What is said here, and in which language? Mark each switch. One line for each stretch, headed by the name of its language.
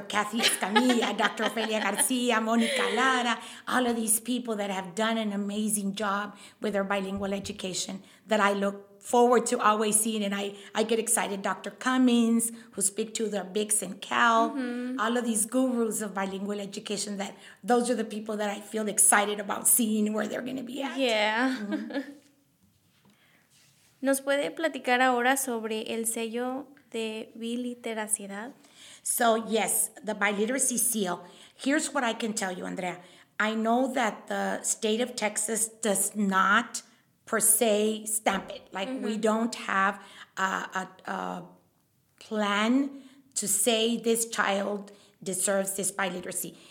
English: Kathy Escamilla, Dr. Ofelia Garcia, Monica Lara, all of these people that have done an amazing job with their bilingual education that I look forward to always seeing. And I get excited. Dr. Cummings, who speak to their Bix and Cal, mm-hmm. All of these gurus of bilingual education, that those are the people that I feel excited about seeing where they're going to be at. Yeah. Mm-hmm.
Spanish: ¿Nos puede platicar ahora sobre el sello de biliteracidad?
English: So, yes, the biliteracy seal. Here's what I can tell you, Andrea. I know that the state of Texas does not per se stamp it. Like, mm-hmm. We don't have a plan to say this child deserves this biliteracy.